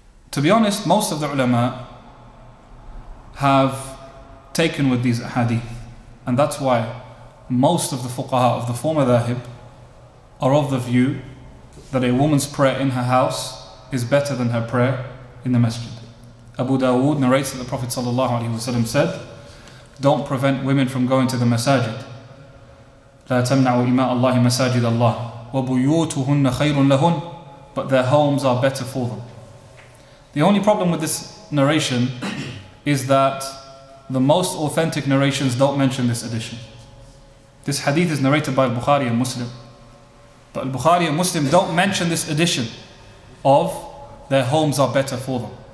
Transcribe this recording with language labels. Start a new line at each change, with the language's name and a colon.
English: To be honest, most of the ulama have taken with these ahadith, and that's why most of the fuqaha of the former dhahib are of the view that a woman's prayer in her house is better than her prayer in the masjid. Abu Dawood narrates that the Prophet ﷺ said, don't prevent women from going to the masajid.
Arabic: لا تمنعوا إماء الله مساجد الله وَبُيُوتُهُنَّ خَيْرٌ لَهُنَّ.
English: But their homes are better for them. The only problem with this narration is that the most authentic narrations don't mention this addition. This hadith is narrated by al-Bukhari and Muslim. But al-Bukhari and Muslim don't mention this addition of their homes are better for them.